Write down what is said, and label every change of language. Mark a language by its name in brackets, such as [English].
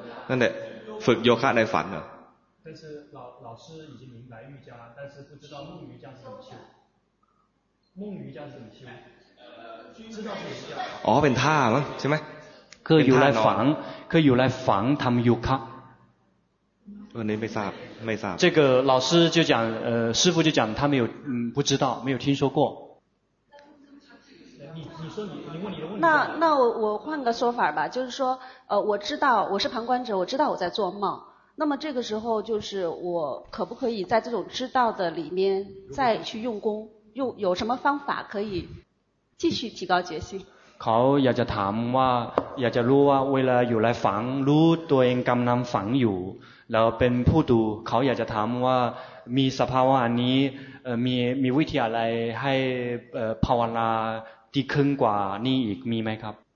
[Thai] นั่นแหละฝึกโยคะในฝันเหรอ [Chinese] 但是 老师已经明白瑜伽，但是不知道梦瑜伽是怎么修。梦瑜伽是怎么修？知道是瑜伽。 [Thai] 哦，เป็นท่าเหรอใช่ไหม？ ก็อยู่ในฝังก็อยู่ในฝังทำโยคะ เออนี่ไม่ทราบไม่ทราบ [Chinese] 这个老师就讲师父就讲他没有不知道没有听说过你说你问你的问题那我换个说法吧就是说我知道我是旁观者我知道我在做梦那么这个时候就是我可不可以在这种知道的里面再去用功用有什么方法可以继续提高决心 [Thai] เขาอยากจะถามว่าอยากจะรู้ว่าเวลาอยู่ในฝังรู้ตัวเองกำลังฝังอยู่แล้วเป็นผู้ดูเขาอยากจะถามว่ามีสภาวะนี้มีวิธีอะไรให้ภาวนาที่ขึ้นกว่านี้อีกมีไหมครับ